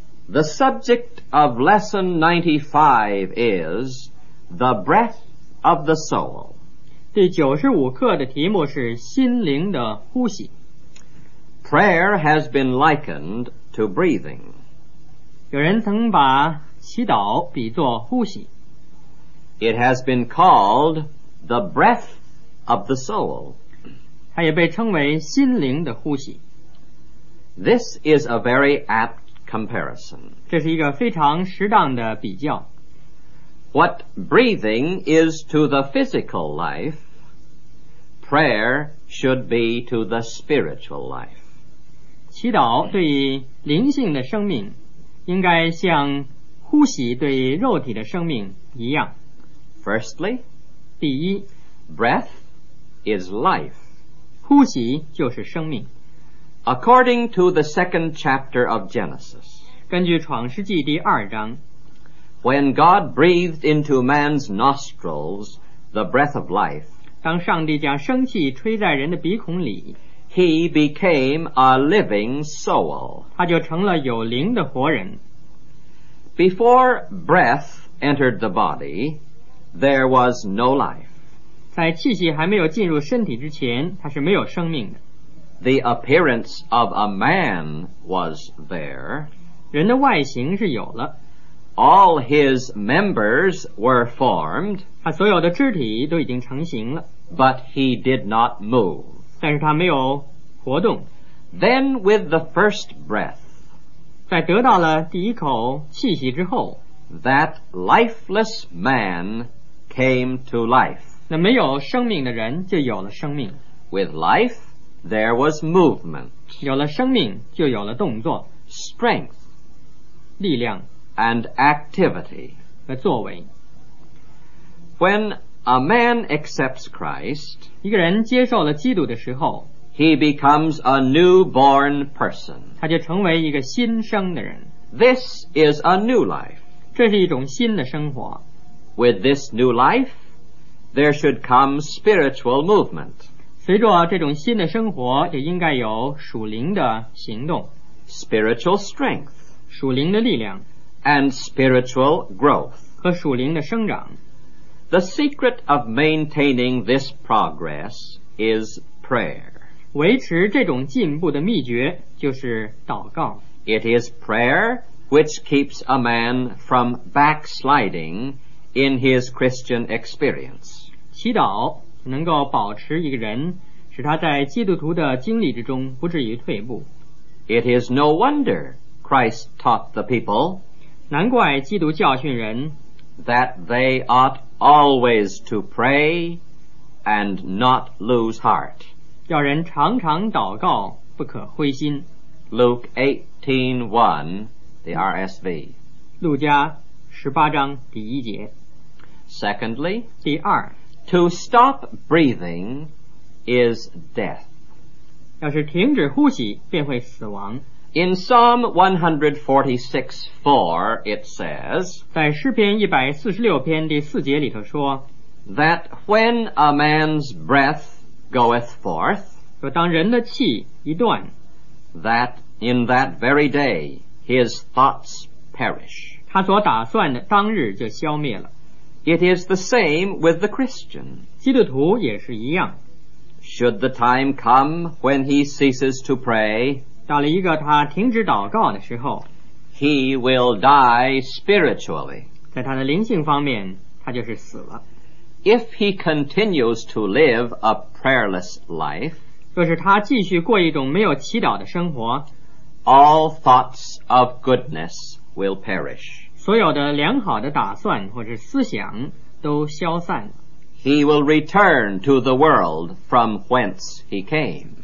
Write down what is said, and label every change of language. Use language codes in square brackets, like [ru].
[en] The subject of lesson 95 is the breath of the soul. [zh] 第九十五课的题目是心灵的呼吸。 [en] Prayer has been likened to breathing. [zh] 有人曾把祈祷比作呼吸。 [en] It has been called the breath of the soul. [zh] 它也被称为心灵的呼吸。 [en] This is a very apt comparison. [zh] 这是一个非常适当的比较。 [en] What breathing is to the physical life, prayer should be to the spiritual life. [zh] 祈祷对于灵性的生命，应该像呼吸对于肉体的生命一样。 [en] Firstly, [zh] 第一， [en] breath is life. [zh] 呼吸就是生命。 [en] According to the second chapter of Genesis, [zh] 根据创世纪第二章， [en] when God breathed into man's nostrils the breath of life, [zh] 当上帝将生气吹在人的鼻孔里， [en] he became a living soul, [zh] 他就成了有灵的活人。 [en] Before breath entered the body, there was no life. [zh] 在气息还没有进入身体之前，他是没有生命的。 [en] The appearance of a man was there. [zh] 人的外形是有了。 [en] All his members were formed. [zh] 他所有的肢体都已经成型了。 [en] But he did not move. [zh] 但是他没有活动。 [en] Then with the first breath, [zh] 在得到了第一口气息之后， [en] that lifeless man came to life. [zh] 那没有生命的人就有了生命。 [en] With life,There was movement. [zh] 有了生命就有了动作。 [en] Strength. [zh] 力量。 [en] And activity. [zh] 和作为。 [en] When a man accepts Christ, [zh] 一个人接受了基督的时候， [en] he becomes a newborn person. [zh] 他就成为一个新生的人。 [en] This is a new life. [zh] 这是一种新的生活。 [en] With this new life, there should come spiritual movement. [zh] 随着这种新的生活，也应该有属灵的行动。 [en] Spiritual strength. [zh] 属灵的力量。 [en] And spiritual growth. [zh] 和属灵的生长。 [en] The secret of maintaining this progress is prayer. [zh] 维持这种进步的秘诀就是祷告。 [en] It is prayer which keeps a man from backsliding in his Christian experience. [zh] 祈祷能够保持一个人，使他在基督徒的经历之中不至于退步。 [en] It is no wonder Christ taught the people, [zh] 难怪基督教训人， [en] that they ought always to pray and not lose heart. [zh] 要人常常祷告，不可灰心。 [en] Luke 18:1, the RSV. [zh] 路加十八章第一节。 [en] Secondly, [zh] 第二。 [en] To stop breathing is death. [zh] 要是停止呼吸便会死亡。 [en] In Psalm 146:4, it says, [zh] 在诗篇146篇第四节里头说, [en] that when a man's breath goeth forth, [zh] 说当人的气一断, [en] that in that very day his thoughts perish. [zh] 他所打算的当日就消灭了。 [en] It is the same with the Christian. [zh] 基督徒也是一样。 [en] Should the time come when he ceases to pray, [zh] 到了一个他停止祷告的时候, [en] he will die spiritually. [zh] 在他的灵性方面, 他就是死了。 [en] If he continues to live a prayerless life, [zh] 若是他继续过一种没有祈祷的生活, [en] all thoughts of goodness will perish. [zh] 所有的良好的打算或是思想都消散了。 [en] He will return to the world from whence he came.